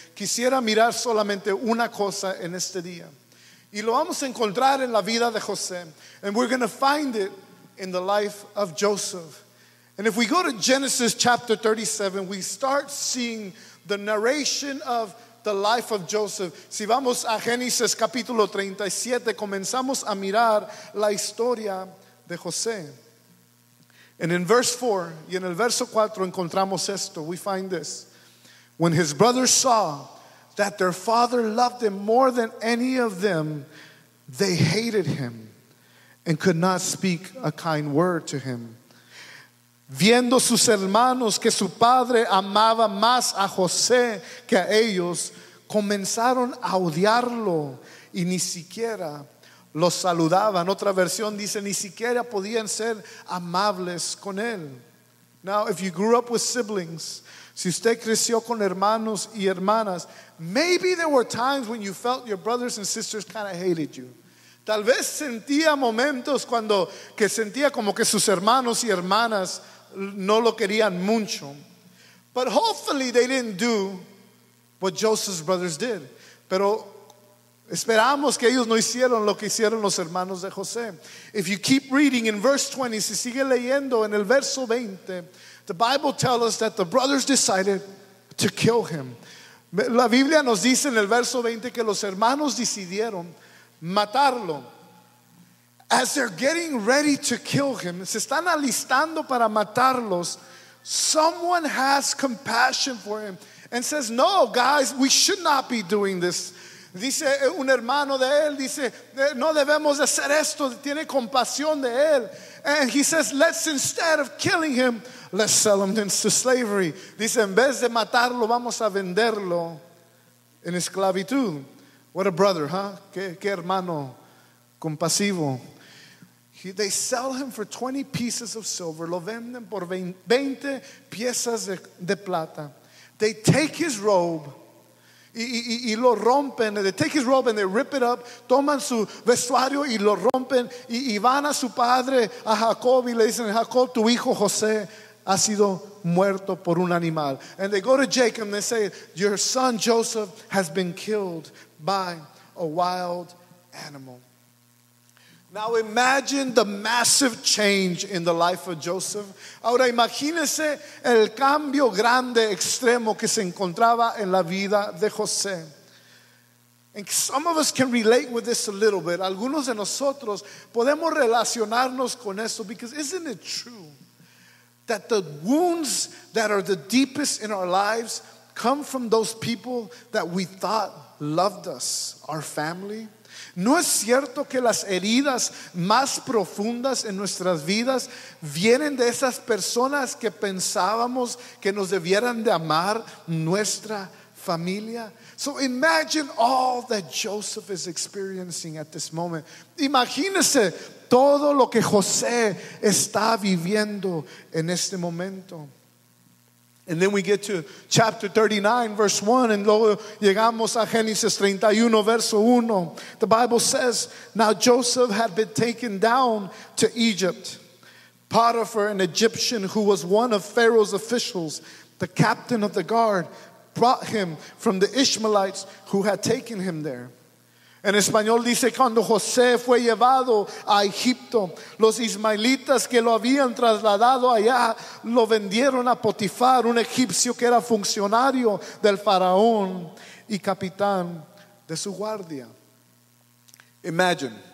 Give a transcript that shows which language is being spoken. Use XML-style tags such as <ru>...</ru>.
<es>Quisiera mirar solamente una cosa en este día. Y lo vamos a encontrar en la vida de José.</es> <en>And we're going to find it in the life of Joseph. And if we go to Genesis chapter 37, we start seeing the narration of the life of Joseph.</en> <es>Si vamos a Génesis capítulo 37, comenzamos a mirar la historia de José.</es> <en>And in verse 4,</en> <es>y en el verso 4 encontramos esto,</es> <en>we find this. When his brothers saw that their father loved him more than any of them, they hated him and could not speak a kind word to him.</en> <es>Viendo sus hermanos que su padre amaba más a José que a ellos, comenzaron a odiarlo y ni siquiera lo saludaban. Otra versión dice, ni siquiera podían ser amables con él.</es> <en>Now, if you grew up with siblings,</en> <es>si usted creció con hermanos y hermanas,</es> <en>maybe there were times when you felt your brothers and sisters kind of hated you.</en> <es>Tal vez sentía momentos cuando que sentía como que sus hermanos y hermanas no lo querían mucho.</es> <en>But hopefully they didn't do what Joseph's brothers did.</en> <es>Pero esperamos que ellos no hicieron lo que hicieron los hermanos de José.</es> <en>If you keep reading in verse 20,</en> <es>si sigue leyendo en el verso 20,</es> <en>the Bible tells us that the brothers decided to kill him.</en> <es>La Biblia nos dice en el verso 20 que los hermanos decidieron matarlo.</es> <en>As they're getting ready to kill him,</en> <es>se están alistando para matarlos,</es> <en>someone has compassion for him and says, no, guys, we should not be doing this.</en> <es>Dice un hermano de él, dice, no debemos hacer esto, tiene compasión de él.</es> <en>And he says, let's, instead of killing him, let's sell him into slavery.</en> <es>Dice, en vez de matarlo, vamos a venderlo en esclavitud.</es> <en>What a brother, huh?</en> <es>Qué hermano compasivo.</es> <en>They sell him for 20 pieces of silver.</en> <es>Lo venden por 20 piezas de plata.</es> <en>They take his robe</en> <es>y lo rompen.</es> <en>They take his robe and they rip it up.</en> <es>Toman su vestuario y lo rompen. Y van a su padre, a Jacob, y le dicen, Jacob, tu hijo José ha sido muerto por un animal.</es> <en>And they go to Jacob and they say, your son Joseph has been killed by a wild animal. Now imagine the massive change in the life of Joseph.</en> <es>Ahora imagínese el cambio grande, extremo que se encontraba en la vida de José.</es> <en>And some of us can relate with this a little bit.</en> <es>Algunos de nosotros podemos relacionarnos con eso,</es> <en>because isn't it true that the wounds that are the deepest in our lives come from those people that we thought loved us, our family?</en> <es>¿No es cierto que las heridas más profundas en nuestras vidas vienen de esas personas que pensábamos que nos debieran de amar, nuestra familia?</es> <en>So imagine all that Joseph is experiencing at this moment.</en> <es>Imagínese todo lo que José está viviendo en este momento.</es> <en>And then we get to chapter 39, verse 1, and</en> <es>luego llegamos a Génesis 31, verso 1.</es> <en>The Bible says, now Joseph had been taken down to Egypt. Potiphar, an Egyptian who was one of Pharaoh's officials, the captain of the guard, brought him from the Ishmaelites who had taken him there.</en> <es>En español dice, cuando José fue llevado a Egipto, los ismaelitas que lo habían trasladado allá lo vendieron a Potifar, un egipcio que era funcionario del faraón y capitán de su guardia. Imagine,</es>